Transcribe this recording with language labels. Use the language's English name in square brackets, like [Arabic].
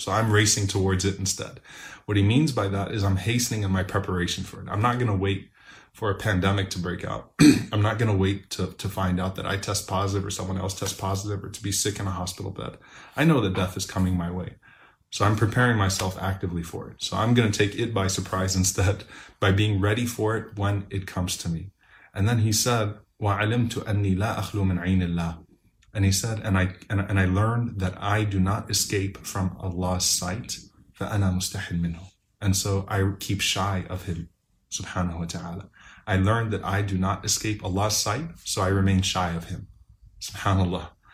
[English] So I'm racing towards it instead. What he means by that is I'm hastening in my preparation for it. I'm not going to wait for a pandemic to break out. I'm not going to wait to find out that I test positive or someone else tests positive or to be sick in a hospital bed. I know that death is coming my way. So I'm preparing myself actively for it. So I'm going to take it by surprise instead by being ready for it when it comes to me. And then he said, [Arabic] وَعَلِمْتُ أَنِّي لَا أَخْلُو مِنْ عَيْنِ اللَّهِ. [English] And he said, and I learned that I do not escape from Allah's sight. [Arabic] فَأَنَا مُسْتَحِلْ مِنْهُ. [English] And so I keep shy of him, subhanahu wa ta'ala. I learned that I do not escape Allah's sight, so I remain shy of him, subhanallah.